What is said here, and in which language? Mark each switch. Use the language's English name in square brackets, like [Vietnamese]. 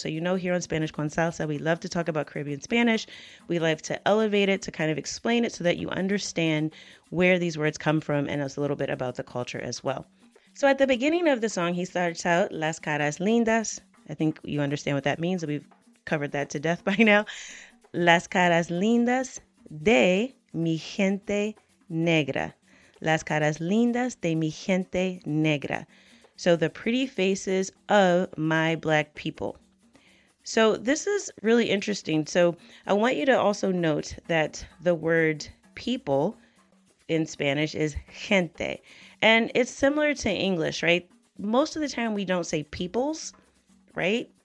[English] So, you know, here on Spanish con Salsa, we love to talk about Caribbean Spanish. We love to elevate it, to kind of explain it so that you understand where these words come from and us a little bit about the culture as well. So at the beginning of the song, he starts out, [Spanish] Las Caras Lindas. [English] I think you understand what that means. We've covered that to death by now. [Spanish] Las Caras Lindas de mi gente negra. Las Caras Lindas de mi gente negra. [English] So the pretty faces of my black people. So this is really interesting. So I want you to also note that the word people in Spanish is gente. And it's similar to English, right? Most of the time we don't say peoples, right?